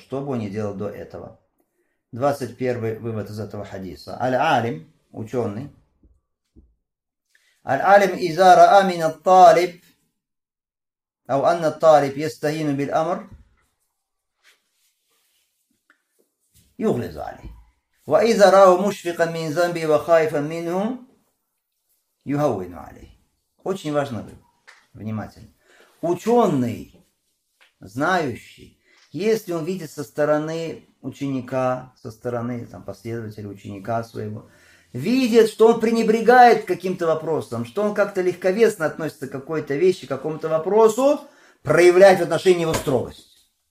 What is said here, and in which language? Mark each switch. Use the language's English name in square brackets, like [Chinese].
[Russian] Что бы он ни делал до этого? 21 вывод из этого хадиса. [Arabic] Аль-Алим, ученый. Аль-Алим изара амина талиб, ау анна талиб естаину биль амр, юглизали. وإذا رأوا مشفقا من ذنبه وخائفا منه يهون عليه. [Russian] Очень важно быть внимательным. Ученый, знающий, если он видит со стороны ученика, со стороны там, последователя ученика своего, видит, что он пренебрегает каким-то вопросом, что он как-то легковесно относится к какой-то вещи, к какому-то вопросу, проявляет в отношении его строгость.